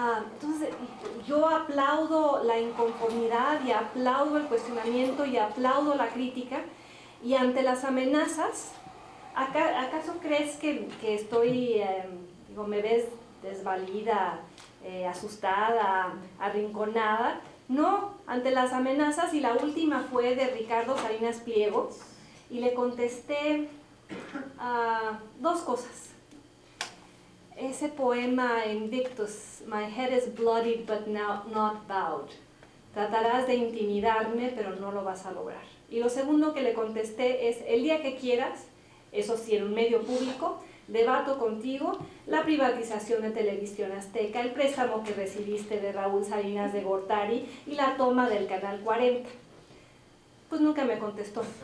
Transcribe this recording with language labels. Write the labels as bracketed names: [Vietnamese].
[Spanish] Entonces, yo aplaudo la inconformidad, y aplaudo el cuestionamiento, y aplaudo la crítica, y ante las amenazas, ¿acaso crees que estoy, me ves desvalida, asustada, arrinconada? No, ante las amenazas, y la última fue de Ricardo Salinas Pliego, y le contesté dos cosas. Ese poema [English] Invictus, my head is bloodied but not bowed. [Spanish] Tratarás de intimidarme, pero no lo vas a lograr. Y lo segundo que le contesté es, el día que quieras, eso sí, en un medio público, debato contigo la privatización de Televisión Azteca, el préstamo que recibiste de Raúl Salinas de Gortari y la toma del Canal 40. Pues nunca me contestó.